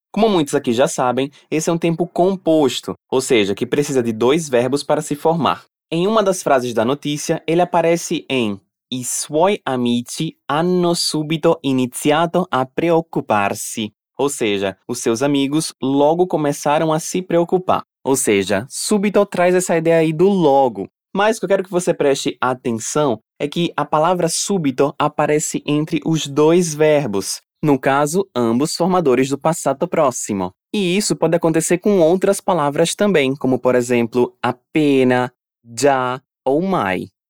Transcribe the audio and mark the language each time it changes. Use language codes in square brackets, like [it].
[pt] Como muitos aqui já sabem, esse é tempo composto, ou seja, que precisa de dois verbos para se formar. Em uma das frases da notícia, ele aparece em... [it] I suoi amici hanno subito iniziato a preoccuparsi. [pt] Ou seja, os seus amigos logo começaram a se preocupar. Ou seja, subito traz essa ideia aí do logo. Mas o que eu quero que você preste atenção é que a palavra subito aparece entre os dois verbos. No caso, ambos formadores do passato próximo. E isso pode acontecer com outras palavras também, como por exemplo, appena, già ou mai.